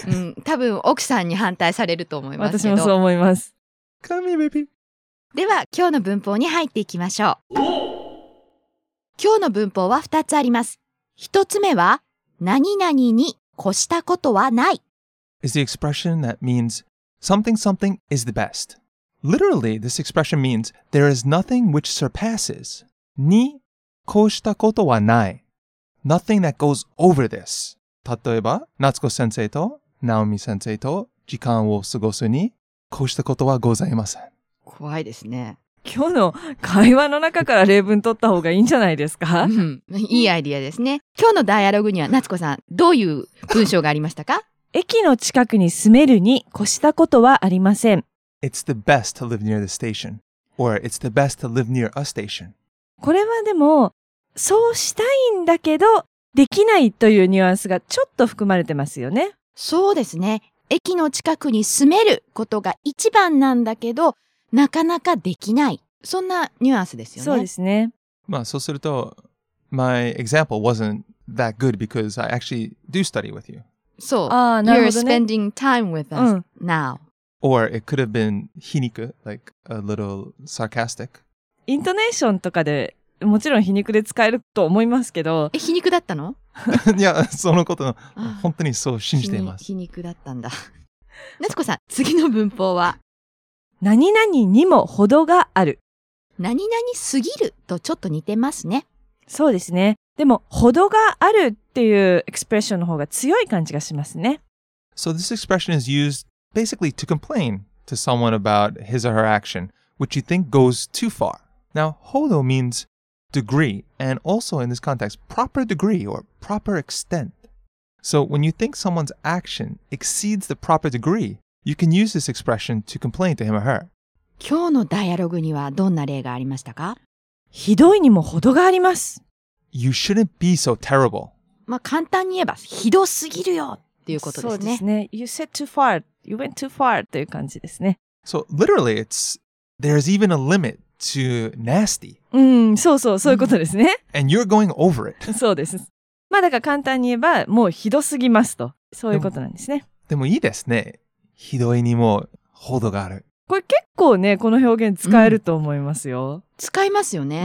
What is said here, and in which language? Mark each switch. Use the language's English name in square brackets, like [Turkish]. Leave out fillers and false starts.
[Japanese] うん。多分、奥さんに反対されると思いますけど。私もそう思います。カミベビー。では、今日の文法に入っていきましょう。今日の文法は2つあります。 1つ目は、何々に越したことはない。 [English] Is the expression that means something something is the best. Literally, this expression means there is nothing which surpasses. [Japanese] に越したことはない。 [English] Nothing that goes over this. [Japanese] 例えば、夏子先生と直美先生と時間を過ごすに越したことはございません。怖いですね。今日の会話の中から例文取った方がいいんじゃないですか？うん、いいアイディアですね。今日のダイアログには夏子さん、どういう文章がありましたか？駅の近くに住めるに越したことはありません。 [English] It's the best to live near the station. Or it's the best to live near a station. [Japanese] これはでも、そうしたいんだけど、できないというニュアンスがちょっと含まれてますよね。そうですね。駅の近くに住めることが一番なんだけど、なかなかできない。そんなニュアンスですよね。そうですね。まあそうすると、 [English] My example wasn't that good because I actually do study with you. [Japanese] そう。ああ、なるほどね。 [English] You're spending time with us、now. Or it could have been 皮肉、like a little sarcastic. [Japanese] イントネーションとかでもちろん皮肉で使えると思いますけど。皮肉だったの？いや、そのことの、本当にそう信じています。皮肉だったんだ。夏子さん、次の文法は何々にも程がある。何々すぎるとちょっと似てますね。そうですね。でも、程があるっていうエクスプレッションの方が強い感じがしますね。 [English] So this expression is used basically to complain to someone about his or her action, which you think goes too far. Now, hodo means degree, and also in this context, proper degree or proper extent. So when you think someone's action exceeds the proper degree,You can use this expression to complain to him or her. [Japanese] 今日のダイアログにはどんな例がありましたか？ひどいにも程があります。 [English] you shouldn't be so terrible. [Japanese] まあ簡単に言えばひどすぎるよっていうことですね。そうですね。 [English] You said too far. [Japanese] You went too far という感じですね。 [English] So literally, it's there's even a limit to nasty. [Japanese] うん、そうそう、そういうことですね。 [English] And you're going over it. [Japanese] そうです。まあだから簡単に言えばもうひどすぎますと、そういうことなんですね。でもいいですね。ひどいにも程がある。これ結構ね、この表現使えると思いますよ。うん、使いますよね、